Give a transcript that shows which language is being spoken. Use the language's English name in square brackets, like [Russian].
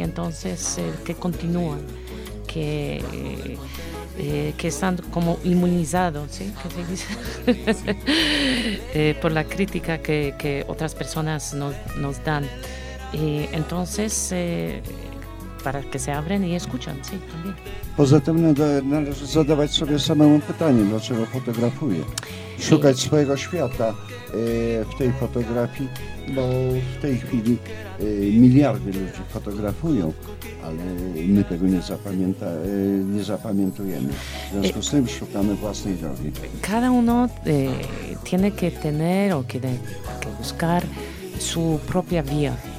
[Spanish] Entonces, el que continúa, que están como inmunizados, ¿sí? ¿Qué se dice? por la crítica que otras personas nos dan. Y entonces, para que se abren y escuchan, sí, también. [Polish] Poza tym należy zadawać sobie samemu pytanie, dlaczego fotografuję. Szukać swojego świata w tej fotografii, bo w tej chwili miliardy ludzi fotografują, ale my tego nie zapamiętujemy. W związku z tym szukamy własnej drogi. [Spanish] Cada uno tiene que tener o tiene que buscar su propia vía.